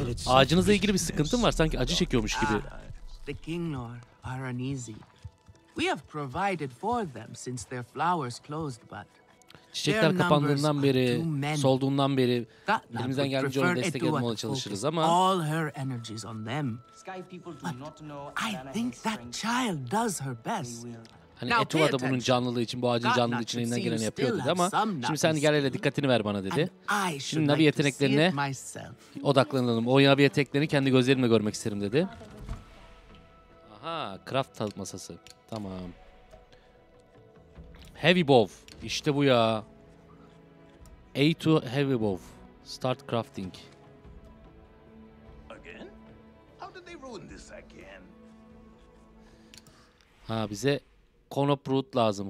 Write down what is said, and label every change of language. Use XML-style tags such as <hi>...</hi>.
<tr>Ağacınızla ilgili bir sıkıntı mı var? Sanki acı çekiyormuş gibi.</tr> <en>The Kinglor are uneasy. We have provided for them since their flowers closed, but</en> <tr>çiçekler kapandığından beri, solduğundan beri elimizden geldiğince ona destek olmaya çalışırız ama</tr> <en>all her energies on them. Sky people do not know. I think that child does her best.</en> <tr>Hani Etuva da bunun canlılığı için, bu ağacın canlılığı için elinden geleni yapıyordu ama şimdi sen gel hele dikkatini ver bana dedi. Şimdi Navi yeteneklerine odaklanalım. O Navi yeteneklerini kendi gözlerimle görmek isterim dedi. Aha, craft masası. Tamam.</tr> <en>Heavy bow.</en> <tr>İşte bu ya.</tr> <en>A to heavy bow. Start crafting. Again? How did they ruin this again?</en> <tr>Ha bize konop root lazım.</tr>